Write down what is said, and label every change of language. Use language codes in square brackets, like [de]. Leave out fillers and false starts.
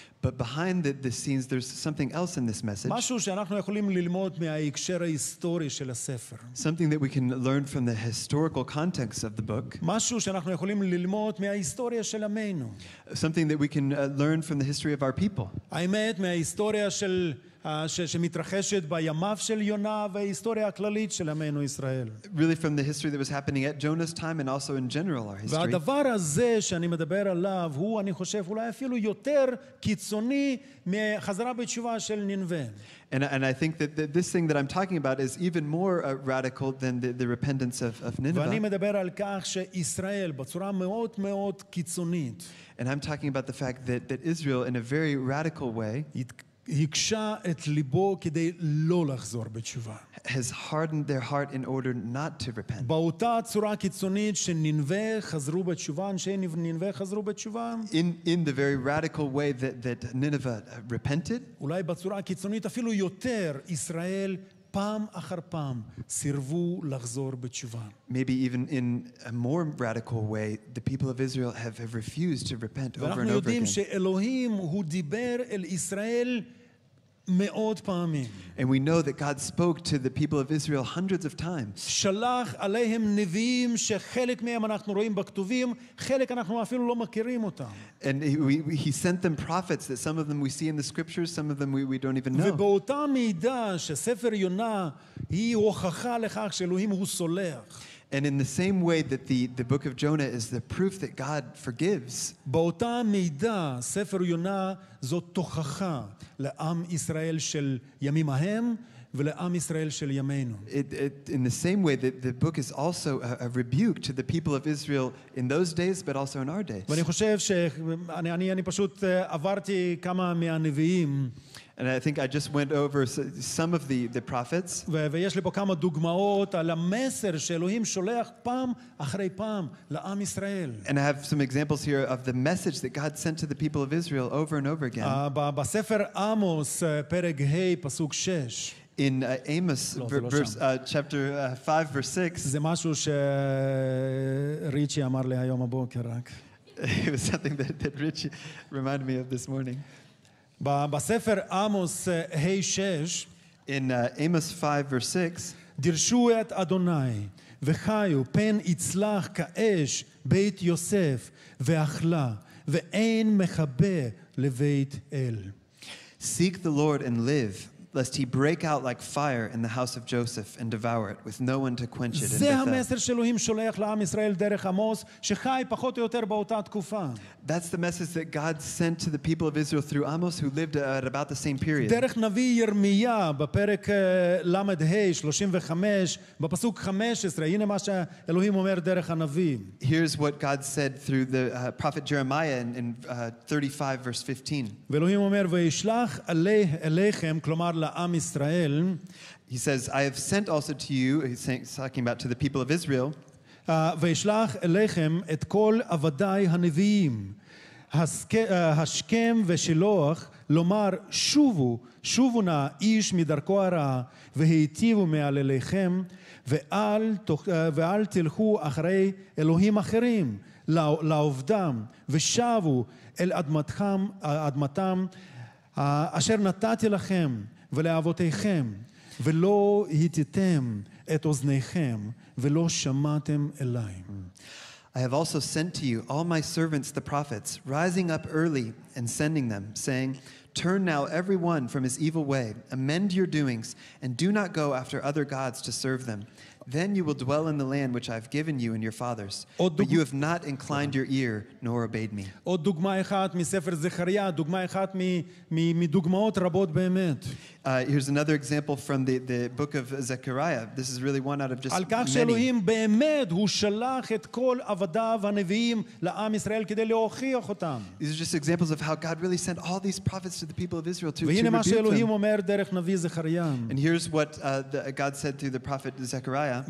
[en] But behind the scenes, there's something else in this message. Something that we can learn from the historical context of the book. Something that we can learn from the history of our people. [he] שמתרחשת בימיו של יונה וההיסטוריה הכללית של עמנו ישראל. [en] Really from the history that was happening at Jonah's time and also in general our history. [he] והדבר הזה שאני מדבר עליו הוא, אני חושב, אולי אפילו יותר קיצוני מחזרה בתשובה של נינווה. [en] And I think that this thing that I'm talking about is even more radical than the repentance of Nineveh. [he] ואני מדבר על כך שישראל בצורה מאוד מאוד קיצונית. [en] And I'm talking about the fact that Israel in a very radical way [he] הקשה את ליבו כדי לא לחזור בתשובה. [en] Has hardened their heart in order not to repent. [he] באותה צורה קיצונית שנינווה חזרו בתשובה, אנשי נינווה חזרו בתשובה. [en] In the very radical way that Nineveh repented. [he] אולי בצורה קיצונית אפילו יותר, ישראל פעם אחר פעם סירבו לחזור בתשובה. [en] Maybe even in a more radical way, the people of Israel have refused to repent over and over again. [he] ואנחנו יודעים שאלוהים הוא דיבר אל ישראל מאות פעמים. [en] And we know that God spoke to the people of Israel hundreds of times. [he] שלח עליהם נביאים שחלק מהם אנחנו רואים בכתובים, חלק אנחנו אפילו לא מכירים אותם. [en] And he sent them prophets that some of them we see in the scriptures, some of them we don't even know. [he] ובאותה מידה שספר יונה היא הוכחה לכך שאלוהים הוא סולח. [en] And in the same way that the book of Jonah is the proof that God forgives. [he] באותה מידה ספר יונה זאת תוכחה לעם ישראל של ימים ההם ולעם ישראל של ימינו. [en] In the same way that the book is also a rebuke to the people of Israel in those days but also in our days. [he] ואני חושב שאני פשוט עברתי כמה מהנביאים. [en] And I think I just went over some of the prophets. [he] ויש לי פה כמה דוגמאות על המסר שאלוהים שולח פעם אחרי פעם לעם ישראל. [en] And I have some examples here of the message that God sent to the people of Israel over and over again. [he] בספר עמוס פרק ה פסוק 6. [en] In Amos chapter 5 verse 6. [he] זה משהו שריצ'י אמר לי היום הבוקר רק. [en] It was something that Richie reminded me of this morning. [he] בספר עמוס ה' 6 [en] in Amos 5 verse 6 [he] דרשו את אדוני וחיו פן יצלח כאש בית יוסף ואכלה ואין מחבה לבית אל. [en] Seek the Lord and live, lest he break out like fire in the house of Joseph and devour it with no one to quench it in Bethel. That's the message that God sent to the people of Israel through Amos, who lived at about the same period. [he] דרך נביא ירמיה בפרק למד ה' 35 בפסוק 15 הנה מה שאלוהים אומר דרך הנביא. [en] Here's what God said through the prophet Jeremiah in 35 verse 15. [he] ואלוהים אומר וישלח אליכם, כלומר לעם ישראל. [en] He says, I have sent also to you, he's talking about to the people of Israel. [he] וישלח אליכם את כל עבדי הנביאים, השכם ושילוח, לומר שובו, שובו נא איש מדרכו הרע, והיטיבו מעל אליכם, ואל תלכו אחרי אלוהים אחרים, לעובדם, ושבו אל אדמתם, אשר נתתי לכם ולאבותיכם, ולא הטיתם את אוזניכם, ולא שמעתם אליי. [en] I have also sent to you all my servants, the prophets, rising up early and sending them, saying, Turn now every one from his evil way, amend your doings, and do not go after other gods to serve them. Then you will dwell in the land which I have given you and your fathers. But you have not inclined your ear nor obeyed me. [he] עוד דוגמה אחת מספר זכריה, דוגמה אחת מדוגמאות רבות באמת. [en] Here's another example from the book of Zechariah. This is really one out of just [he] על כך שאלוהים באמת הוא שלח את כל עבדיו הנביאים לעם ישראל כדי להוכיח אותם. [en] These are just examples of how God really sent all these prophets to the people of Israel to rebuke them. [he] והנה מה שאלוהים אומר דרך נביא זכריה. [en] And here's what God said through the prophet Zechariah.